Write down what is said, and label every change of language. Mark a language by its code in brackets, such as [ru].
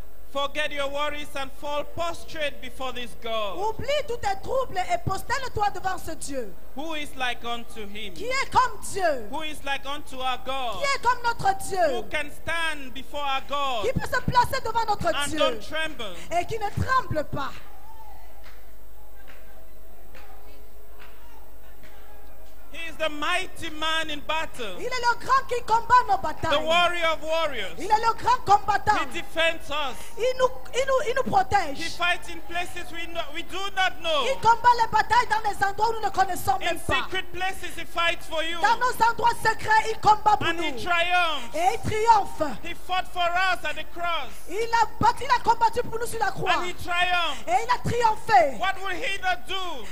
[en] Forget your worries and fall prostrate before this God. [fr] Oublie tous tes troubles et prosterne-toi devant ce Dieu. [en] Who is like unto him? [fr] Qui est comme Dieu? [en] Who is like unto our God? [fr] Qui est comme notre Dieu? [en] Who can stand before our God? [fr] Qui peut se placer devant notre [en] and [fr] Dieu? [en] And don't tremble. [fr] Et qui ne tremble pas. [en] He is the mighty man in battle. [fr] Il est le grand qui combat nos batailles. [en] The warrior of warriors. [fr] Il est le grand combattant. [en] He defends us. [fr] Il nous protège. [en] He fights in places we do not know. [fr] Il combat les batailles dans les endroits où nous ne connaissons même [en] in In secret places he fights for you. [fr] Dans nos endroits secrets, il combat pour [en] and [fr] nous. [en] And he triumphs. [fr] Et il triomphe. [en] He fought for us at the cross. [fr] Il a combattu pour nous sur la croix. [en] And he triumphs. [fr] Et il a triomphé. [en] What will he not do?